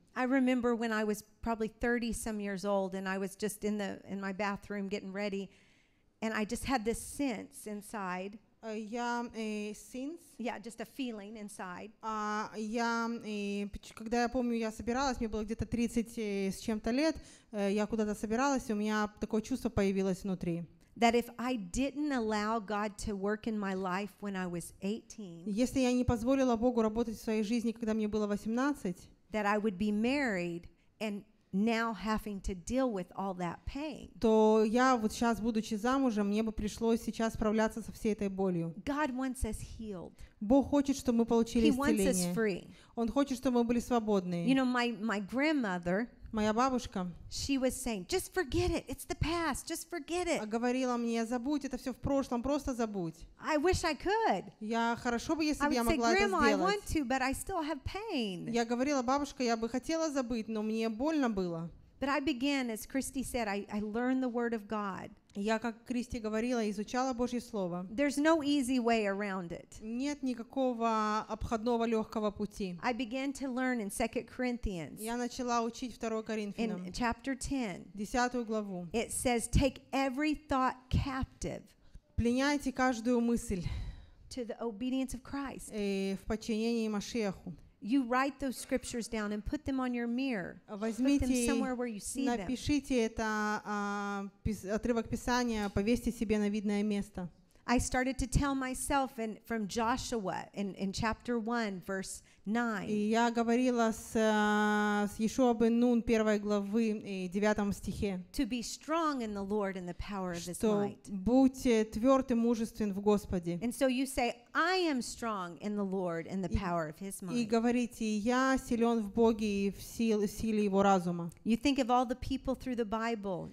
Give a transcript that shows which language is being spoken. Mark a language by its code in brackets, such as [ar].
[en] I remember when I was probably 30 some years old and I was just in my bathroom getting ready and I just had this sense inside. [ru] Когда я помню, я собиралась, мне было где-то 30 с чем-то лет, я куда-то собиралась, у меня такое чувство появилось внутри. [en] That if I didn't allow God to work in my life when I was 18. [ru] Если я не позволила Богу работать в своей жизни, когда мне было 18. [en] That I would be married and now having to deal with all that pain. [ru] То я вот сейчас, будучи замужем, мне бы пришлось сейчас справляться со всей этой болью. [en] God wants us healed. [ru] Бог хочет, чтобы мы получили исцеление. [en] He wants us free. [ru] Он хочет, чтобы мы были свободны. [en] You know, my grandmother. [ru] Моя бабушка. [en] She was saying, just forget it. It's the past. Just forget it. [ru] Говорила мне, забудь это все в прошлом, просто забудь. [en] I wish I could. [ru] Я хорошо бы, если бы я могла это сделать. [en] I would say, Grandma, I want to, but I still have pain. [ru] Я говорила, бабушка, я бы хотела забыть, но мне больно было. [en] But I began, as Christy said, I learned the word of God. [ru] Я, как Кристи говорила, изучала Божье слово. [en] There's no easy way around it. [ru] Нет никакого обходного легкого пути. [en] I began to learn in 2 Corinthians. [ru] Я начала учить 2 Коринфянам. [en] In chapter 10. [ru] 10 главу. [en] It says, take every thought captive. [ru] Пленяйте каждую мысль. [en] To the obedience of Christ. [ru] В подчинении Машеху. [en] You write those scriptures down and put them on your mirror. Put them somewhere where you see them. [ru] Напишите это отрывок писания, повесьте себе на видное место. [en] I started to tell myself and from Joshua in chapter 1 verse 9. [ru] И я говорила с Иешуа бен Нун первой главы и 9 стихе. [en] To be strong in the Lord and the power of his might. [ru] Что будьте тверд и мужествен в Господе. [en] And so you say I am strong in the Lord and the power of his might. [ru] И говорите я силён в Боге и в силе его разума. [en] You think of all the people through the Bible.